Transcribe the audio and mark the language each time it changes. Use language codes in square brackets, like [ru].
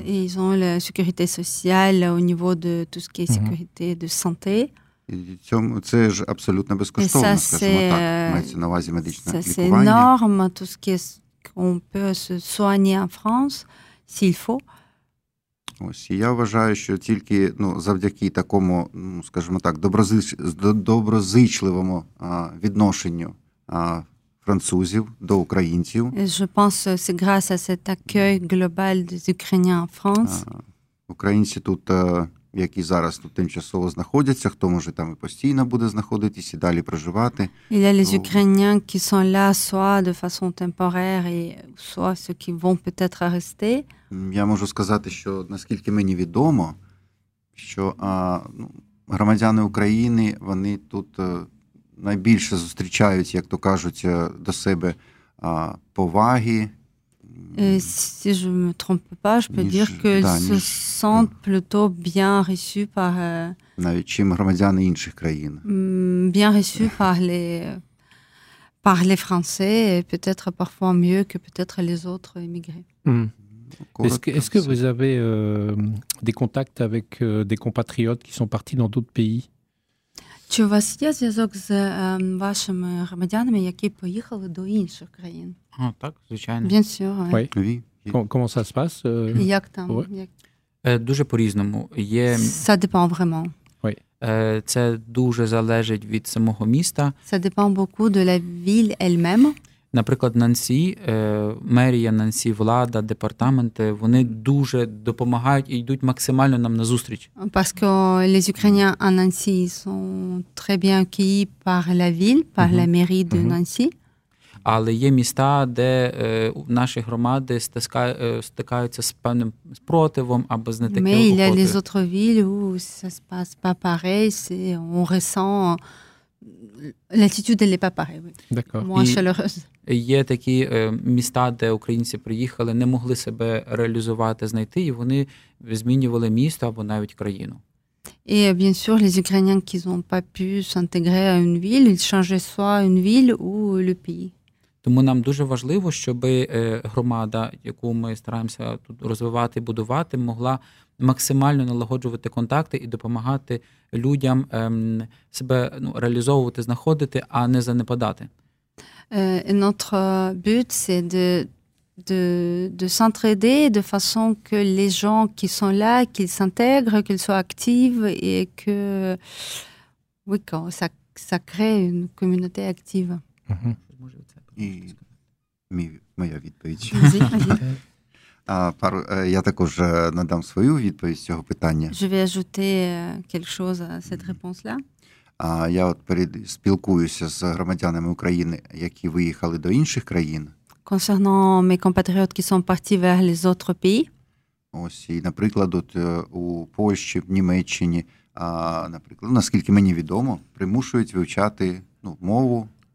[fr] Et ils ont la sécurité sociale au niveau de tout ce qui est sécurité de santé. [uk] Це ж абсолютно безкоштовно, скажімо так, мається на увазі медичне лікування. [fr] C'est énorme, tout ce qui est on peut se soigner en France, s'il faut. [uk] Ось, я вважаю, що тільки, ну, завдяки такому, ну, скажімо так, доброзичливому відношенню французів до українців. [fr] Et je pense que c'est grâce à cet accueil global des Ukrainiens en France. [uk] Українці тут, які зараз тут тимчасово знаходяться, хто може там і постійно буде знаходитись і далі проживати. [fr] Il y a les Ukrainiens qui sont là soit de façon temporaire et soit ceux qui vont peut-être rester. [uk] Я можу сказати, що наскільки мені відомо, що громадяни України, вони тут найбільше зустрічають, як то кажуть, до себе поваги. [fr] Et si je me trompe pas, je peux dire qu'ils se sentent plutôt bien reçus par [uk] навіть чим громадяни інших країн. [fr] Bien reçus par les Français et peut-être parfois mieux que peut-être les autres immigrés. Est-ce que vous avez des contacts avec des compatriotes qui sont partis dans d'autres pays? [uk] Чи у вас є зв'язок з вашими громадянами, які поїхали до інших країн? А, так, звичайно. [fr] Bien sûr, oui. Comment ça se passe? [uk] Як там? Дуже по-різному. [fr] Ça dépend vraiment. Oui. [uk] Це дуже залежить від самого міста. [fr] Ça dépend beaucoup de la ville elle-même. [uk] Наприклад, Нансі, мерія Нансі, влада, департаменти, вони дуже допомагають і йдуть максимально нам назустріч. [fr] Parce que les Ukrainiens à Nancy sont très bien accueillis par la ville, par la mairie de Nancy. [uk] Але є міста, де наші громади стикаються з певним спротивом або з не таким охотою. [fr] Mais il y a les autres villes où ça se passe pas pareil, c'est on ressent l'attitude n'est pas pareil. Oui. D'accord. Moins chaleureuse. [uk] Є такі міста, де українці приїхали, не могли себе реалізувати, знайти, і вони змінювали місто або навіть країну. [fr] Et bien sûr, les Ukrainiens qui n'ont pas pu s'intégrer à une ville, ils changeaient soit une ville ou le pays. [uk] Тому нам дуже важливо, щоб громада, яку ми стараємося тут розвивати, будувати, могла максимально налагоджувати контакти і допомагати людям себе, ну, реалізовувати, знаходити, а не занепадати. [fr] Notre but, c'est de s'entraider de façon que les gens qui sont là, qu'ils s'intègrent, qu'ils soient actifs et que oui, ça crée une communauté active. [uk] Mm-hmm. Моя відповідь. [fr] Vas-y. [uk] Я також надам свою відповідь цього питання. [fr] Je vais ajouter quelque chose à cette réponse-là. [uk] Я от спілкуюся з громадянами України, які виїхали до інших країн. [fr] Concernant mes compatriotes qui sont partis vers les autres pays. [uk] Ось, і, наприклад, от, у Польщі, в Німеччині, наприклад, наскільки мені відомо, примушують вивчати, ну, мову.